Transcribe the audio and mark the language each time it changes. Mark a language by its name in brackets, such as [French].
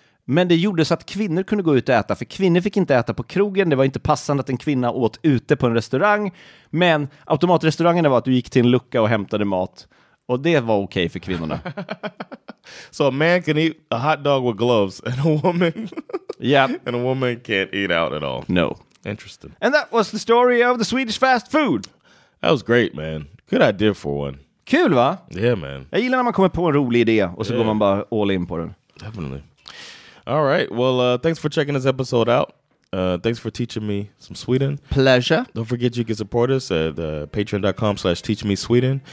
[Swedish] Men det gjorde så att kvinnor kunde gå ut och äta. För kvinnor fick inte äta på krogen. Det var inte passande att en kvinna åt ute på en restaurang. Men automatrestaurangerna var att du gick till en lucka och hämtade mat. Och det var okej för kvinnorna. [English] So a man can eat a hot dog with gloves and a woman. Yeah. And a woman can't eat out at all. No. Interesting. And that was the story of the Swedish fast food. That was great, man. Good idea for one. [Swedish] Kul, va? [English] Yeah, man. [Swedish] Jag gillar när man kommer på en rolig idé och så går man bara all in på den. [English] Definitely. All right. Well, thanks for checking this episode out. Thanks for teaching me some Sweden. Pleasure. Don't forget you can support us at patreon.com/teachmesweden.